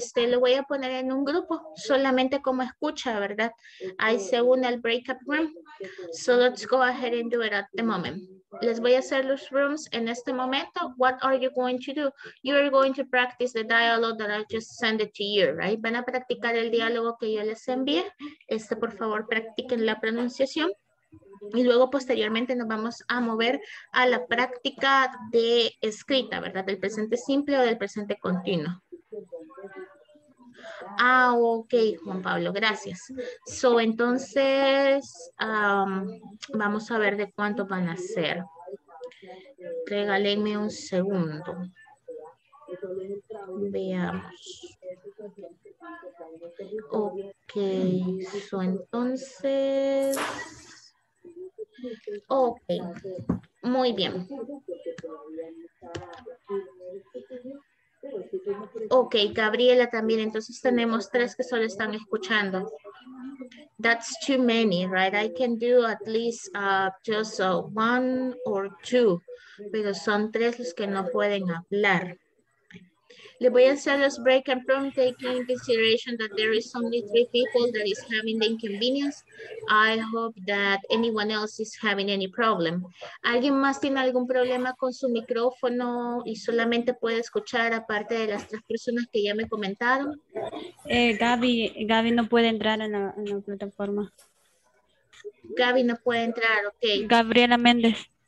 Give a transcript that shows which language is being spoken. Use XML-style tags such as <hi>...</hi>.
<es>Lo voy a poner en un grupo, solamente como escucha, ¿verdad? Ahí se une al breakout room.</es> <en>So, let's go ahead and do it at the moment.</en> <es>Les voy a hacer los rooms en este momento.</es> <en>What are you going to do? You are going to practice the dialogue that I just sent it to you, right?</en> <es>Van a practicar el diálogo que yo les envié. Por favor, practiquen la pronunciación. Y luego, posteriormente, nos vamos a mover a la práctica de escrita, ¿verdad? Del presente simple o del presente continuo. Ah, ok, Juan Pablo, gracias. So, entonces, vamos a ver de cuánto van a ser. Regálenme un segundo. Veamos. Ok, so entonces. Ok, muy bien. Ok, Gabriela también. Entonces tenemos tres que solo están escuchando.</es> <en>That's too many, right? I can do at least just one or two.</en> <es>Pero son tres los que no pueden hablar. Le voy a hacer los</es> <en>break and prompt, taking in consideration that there is only three people that is having the inconvenience. I hope that anyone else is having any problem.</en> <es>¿Alguien más tiene algún problema con su micrófono y solamente puede escuchar aparte de las tres personas que ya me comentaron? Gaby no puede entrar en la plataforma. Gaby no puede entrar, ok. Gabriela Méndez.</es>